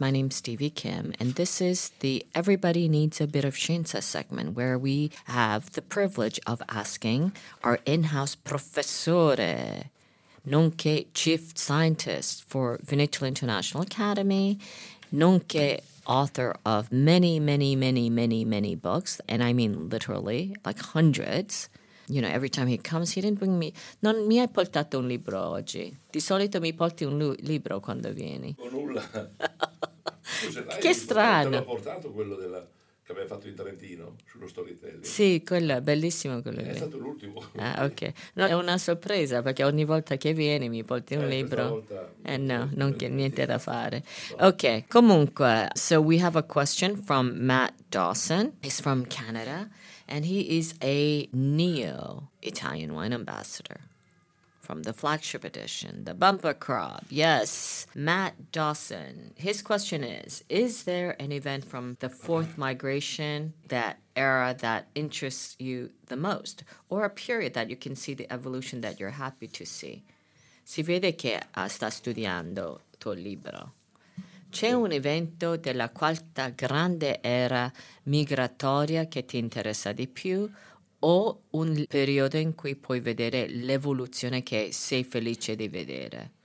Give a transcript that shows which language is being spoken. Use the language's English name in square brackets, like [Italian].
[English] My name is Stevie Kim, and this is the Everybody Needs a Bit of Scienza segment, where we have the privilege of asking our in-house professore, [Italian] nonché [English] chief scientist for Vinitalo International Academy, nonché author of many, many, many, many, many books, and I mean literally, like hundreds. You know, every time he comes, he didn't bring me... [Italian] Non mi hai portato un libro oggi. Di solito mi porti un libro quando vieni. O nulla. Che strano. Te l'ho portato quello della, che abbiamo fatto in Trentino, sullo storytelling. Sì, quello è bellissimo quello lì. È stato l'ultimo. Ah, ok. No, è una sorpresa, perché ogni volta che vieni mi porti un libro. Questa volta, niente da fare. [English] No. Ok, [Italian] comunque, [English] so we have a question from Matt Dawson. He's from Canada. And he is a neo-Italian wine ambassador from the flagship edition, the bumper crop. Yes, Matt Dawson. His question is there an event from the fourth migration, that era that interests you the most, or a period that you can see the evolution that you're happy to see? [Italian] Si vede che sta studiando tuo libro. C'è un evento della quarta grande era migratoria che ti interessa di più o un periodo in cui puoi vedere l'evoluzione che sei felice di vedere?